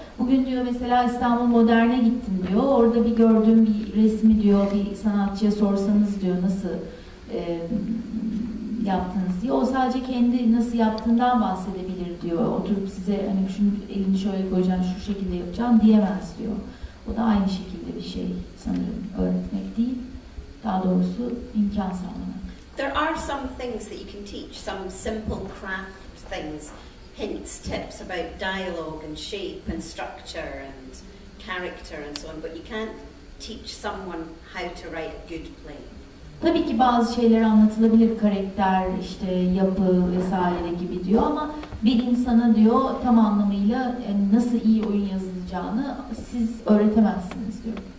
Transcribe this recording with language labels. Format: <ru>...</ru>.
<tr>Bugün diyor mesela İstanbul Modern'e gittim diyor. Orada bir gördüğüm bir resmi diyor bir sanatçıya sorsanız diyor nasıl yaptınız diye. O sadece kendi nasıl yaptığından bahsedebilir diyor. Oturup size hani şunu elini şöyle koyacaksın şu şekilde yapacaksın diyemez diyor. O da aynı şekilde bir şey sanırım öğretmek değil. Daha doğrusu imkan sağlamak.</tr> <en>There are some things that you can teach, some simple craft things. Hints, tips about dialogue and shape and structure and character and so on, but you can't teach someone how to write a good play.</en> <tr>Tabii ki bazı şeyler anlatılabilir, karakter, işte yapı vesaire gibi diyor ama bir insana diyor tam anlamıyla nasıl iyi oyun yazılacağını siz öğretemezsiniz diyor.</tr>